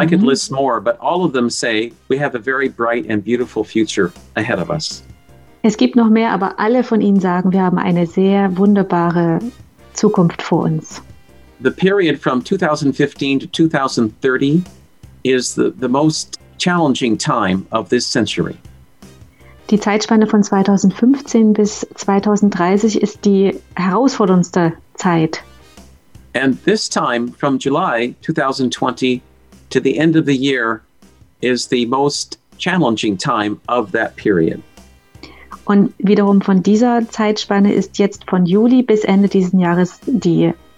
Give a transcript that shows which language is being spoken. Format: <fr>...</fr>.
<en>I could list more, but all of them say we have a very bright and beautiful future ahead of us.</en> <de>Es gibt noch mehr, aber alle von ihnen sagen, wir haben eine sehr wunderbare Zukunft vor uns.</de> <en>The period from 2015 to 2030 is the most challenging time of this century.</en> <de>Die Zeitspanne von 2015 bis 2030 ist die herausforderndste Zeit.</de> <en>And this time from July 2020 to the end of the year is the most challenging time of that period.</en> <de>Und wiederum von dieser Zeitspanne ist jetzt von Juli bis Ende diesen Jahres die</de>